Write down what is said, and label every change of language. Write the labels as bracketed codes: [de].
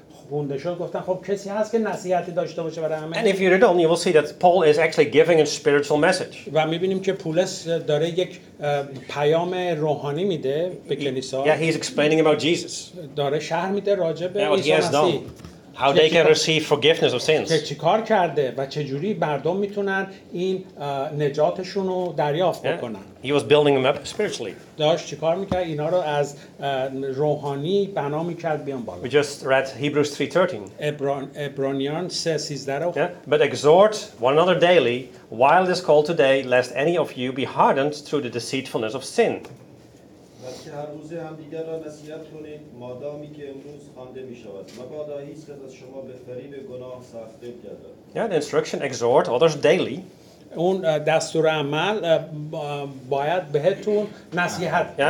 [fa] خونده شد گفتن خب کسی هست که نصیحتی داشته باشه برای همه. [en] And if you read on, you will see that Paul is actually giving a spiritual message. [fa] و می‌بینیم که پولس داره یک پیام روحانی میده به کلیسا. [en] Yeah, he's explaining about Jesus. [fa] داره شرح میده راجع به عیسی مسیح. [en] how they can receive forgiveness of sins. [fa] چه کار کرده و چه جوری مردم میتونن این نجاتشون رو دریافت بکنن. [en] He was building them up spiritually. [fa] داشت چه کار میکرد اینا رو از روحانی بنا میکرد بیان بالا. [en] We just read Hebrews 3:13. [fa] ابرانیان 3:13 رو. [en] But exhort one another daily while it is called today, lest any of you be hardened through the deceitfulness of sin. [fa] که هر روز هم دیگر را نصیحت کنید مادامی که امروز خوانده می شود مبادا هیچ کس از شما به فریب گناه ساخته گردد. [en] Yeah, the instruction exhort others daily. [fa] اون دستور عمل باید بهتون نصیحت